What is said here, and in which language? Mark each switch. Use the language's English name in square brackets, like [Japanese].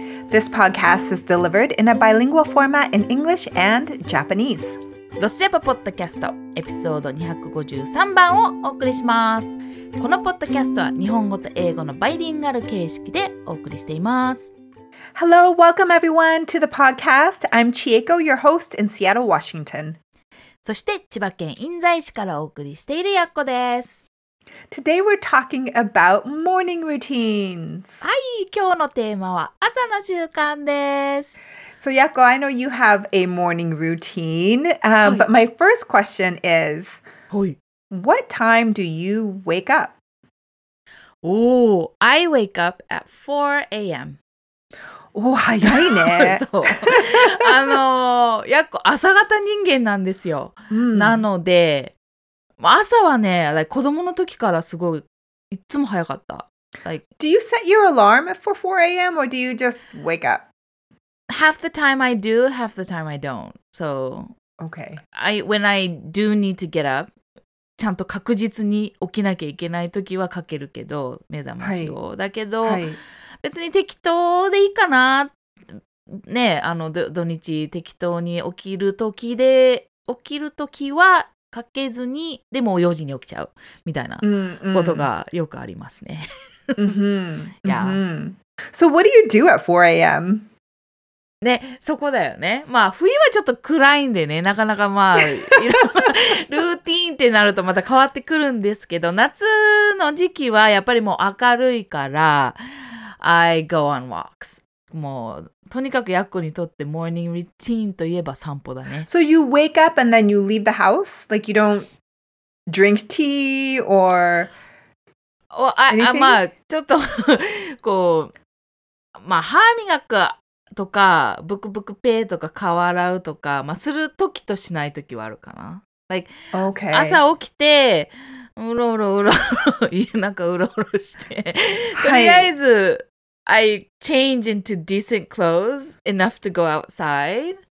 [English] This podcast is delivered in a bilingual format in English and Japanese. [Japanese] ロシアパポッドキャストエピソード253番をお送りします。このポッドキャストは日本語と英語のバイリンガル形式でお送りしています。 [English] Hello, welcome everyone to the podcast. I'm Chieko, your host in Seattle, Washington. [Japanese] そして千葉県印西市からお送りしているやっこです。 [English] Today we're talking about morning routines. [Japanese] はい、今日のテーマは朝の習慣です。 [English] So Yako, I know you have a morning routine, but my first question is, what time do you wake up? Oh, I wake up at 4 a.m. [Japanese] Oh, 早いね。そう。Yako, 朝型人間なんですよ。なので、朝はね、like, 子供の時からすごい、いつも早かった。 [English] Like, do you set your alarm for 4 a.m. or do you just wake up? Half the time I do, half the time I don't. So, okay. [Japanese] When I do need to get up, ちゃんと確実に起きなきゃいけない時はかけるけど、目覚ましを。はい、だけど、はい、別に適当でいいかな。ね、土日適当に起きる時で、起きる時は、かけずにでも4時に起きちゃうみたいなことがよくありますね。 [English] Yeah. So what do you do at 4 a.m.? [Japanese] ね、そこだよね。まあ冬はちょっと暗いんでね、なかなかまあいろいろルーティーンってなるとまた変わってくるんですけど、夏の時期はやっぱりもう明るいから I go on walks。もうとにかくヤッコにとってモーニングルーティーンといえば散歩だね。 [English] So you wake up and then you leave the house? Like you don't drink tea or anything? [Japanese] まあちょっとこうまあ歯磨くとかブクブクペーとか顔洗うとか、まあ、するときとしないときはあるかな。 [English] Like、 okay. [Japanese] 朝起きてうろうろうろうろ家の中うろうろしてとりあえず、はい、 I change into decent clothes enough to go outside.